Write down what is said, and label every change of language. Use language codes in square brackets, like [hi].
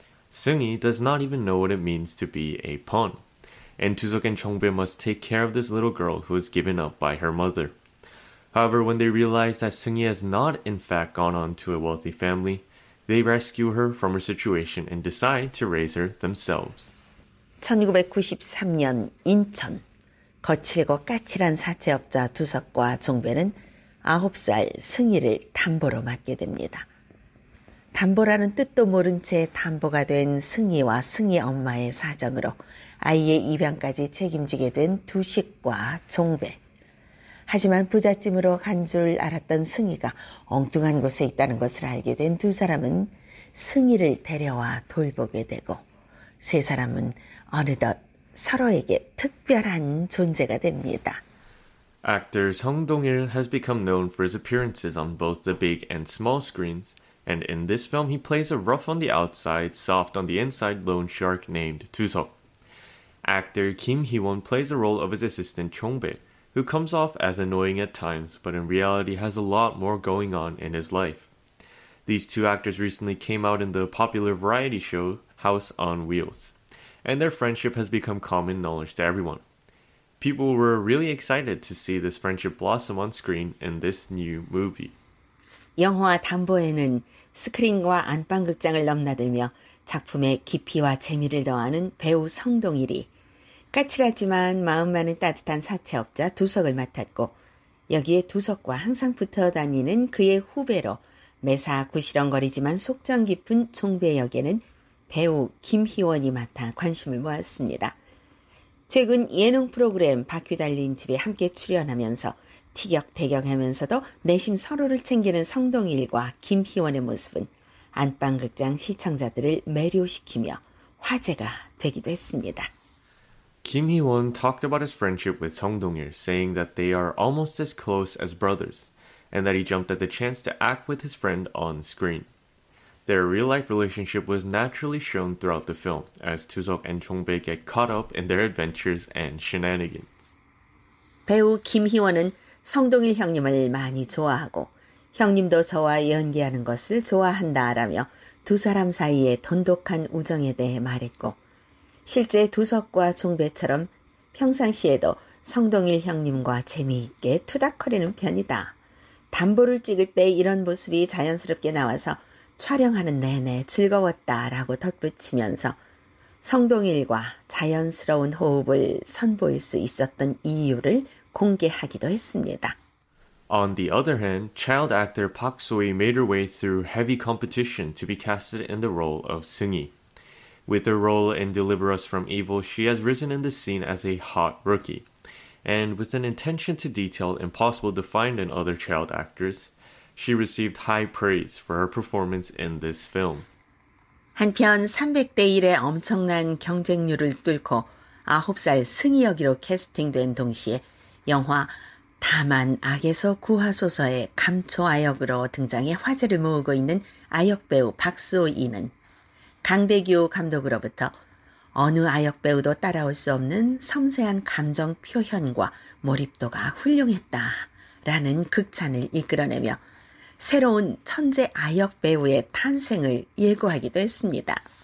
[en] Seung-hee does not even know what it means to be a pawn, and 두석 and 종배 must take care of this little girl who is given up by her mother. However, when they realize that Seung-hee has not in fact gone on to a wealthy family, they rescue her from her situation and decide to raise her themselves. [ko] 1993년 인천, 거칠고 까칠한 사채업자 두석과 종배는 9살 승희를 담보로 맡게 됩니다. 담보라는 뜻도 모른 채 담보가 된 승희와 승희 엄마의 사정으로 아이의 입양까지 책임지게 된 두식과 종배. 하지만 부잣집으로 간 줄 알았던 승희가 엉뚱한 곳에 있다는 것을 알게 된 두 사람은 승희를 데려와 돌보게 되고 세 사람은 어느덧 서로에게 특별한 존재가 됩니다. [en] Actor Song Dong-il has become known for his appearances on both the big and small screens, and in this film he plays a rough-on-the-outside, soft-on-the-inside loan shark named 두석. Actor Kim Hee-won plays the role of his assistant 종배, who comes off as annoying at times, but in reality has a lot more going on in his life. These two actors recently came out in the popular variety show House on Wheels, and their friendship has become common knowledge to everyone. People were really excited to see this friendship blossom on screen in this new movie. [ko] 영화 담보에는 스크린과 안방 극장을 넘나들며 작품의 깊이와 재미를 더하는 배우 성동일이 까칠하지만 마음 많은 따뜻한 사채업자 두석을 맡았고 여기에 두석과 항상 붙어 다니는 그의 후배로 매사 구시렁거리지만 속정 깊은 종배 역에는 배우 김희원이 맡아 관심을 모았습니다. 최근 예능 프로그램 바퀴 달린 집에 함께 출연하면서 티격태격하면서도 내심 서로를 챙기는 성동일과 김희원의 모습은 안방극장 시청자들을 매료시키며 화제가 되기도 했습니다. [en] Kim Hee-won talked about his friendship with Song Dong-il, saying that they are almost as close as brothers, and that he jumped at the chance to act with his friend on screen. Their real-life relationship was naturally shown throughout the film, as 두석 and 종배 get caught up in their adventures and shenanigans. [ko] 배우 김희원은 성동일 형님을 많이 좋아하고 형님도 저와 연기하는 것을 좋아한다라며 두 사람 사이의 돈독한 우정에 대해 말했고 실제 두석과 종배처럼 평상시에도 성동일 형님과 재미있게 투닥거리는 편이다. 담보를 찍을 때 이런 모습이 자연스럽게 나와서 촬영하는 내내 즐거웠다라고 덧붙이면서 성동일과 자연스러운 호흡을 선보일 수 있었던 이유를 공개하기도 했습니다. [en] On the other hand, child actor Park Soo-hee made her way through heavy competition to be casted in the role of Seung-hee. With her role in Deliver Us From Evil, she has risen in the scene as a hot rookie. And with an attention to detail impossible to find in other child actors, she received high praise for her performance in this film. [ko] 한편 300대 1의 엄청난 경쟁률을 뚫고 9살 승희 역으로 캐스팅된 동시에 영화 다만 악에서 구하소서의 감초 아역으로 등장해 화제를 모으고 있는 아역배우 박수호이는 강대규 감독으로부터 어느 아역배우도 따라올 수 없는 섬세한 감정 표현과 몰입도가 훌륭했다 라는 극찬을 이끌어내며 새로운 천재 아역배우의 탄생을 예고하기도 했습니다.